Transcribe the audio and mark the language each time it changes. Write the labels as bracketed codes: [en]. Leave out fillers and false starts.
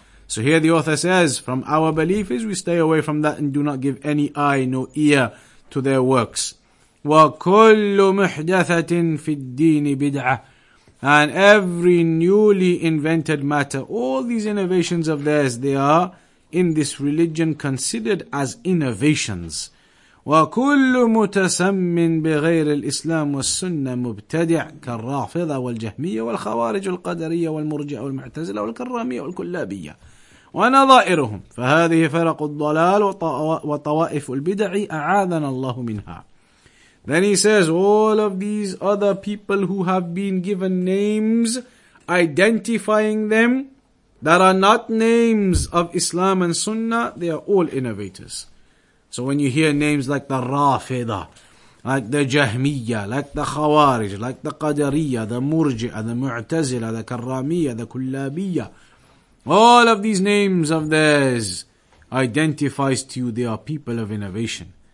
[en] So here the author says, from our belief is we stay away from that and do not give any eye, no ear to their works. [ar] وكل محدثة في الدين بدعة. [en] And every newly invented matter, all these innovations of theirs, they are in this religion considered as innovations. [ar] وكل متسم بغير الإسلام والسنة مبتدع كالرافضة والجهمية والخوارج والقدرية والمرجئة والمعتزلة والكرامية والكلابية ونظائرهم فهذه فرق الضلال وطوائف البدع أعاذنا الله منها. [en] Then he says, all of these other people who have been given names, identifying them, that are not names of Islam and Sunnah, they are all innovators. So when you hear names like the Rafida, like the Jahmiyyah, like the Khawarij, like the Qadariyya, the Murji'a, the Mu'tazila, the Karramiyya, the Kullabiyya, all of these names of theirs identifies to you they are people of innovation.